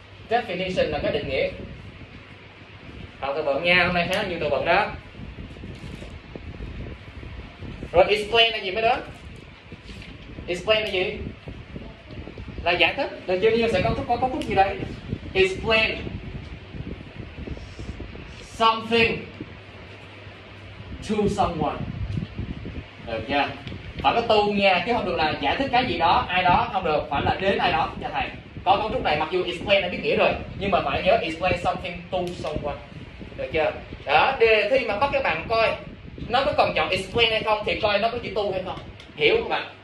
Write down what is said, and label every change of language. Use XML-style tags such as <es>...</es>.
<vi>Definition là cái định nghĩa. Học từ vựng nha, hôm nay khá là nhiều từ vựng đó. Rồi, explain là gì mới đó? Explain là gì? Là giải thích. Là chưa, như sẽ có cấu trúc gì đây?</vi> <en>Explain something to someone.</en> <vi>Được chưa? Phải có tu nha, chứ không được là giải thích cái gì đó, ai đó, không được, phải là đến ai đó, cho thầy. Có cấu trúc này, mặc dù explain là biết nghĩa rồi, nhưng mà phải nhớ</vi> <en>explain something to someone.</en> <vi>Được chưa? Đó, đề thi mà bắt các bạn coi, nó có còn chọn explain hay không, thì coi nó có chữ tu hay không. Hiểu không ạ?</vi>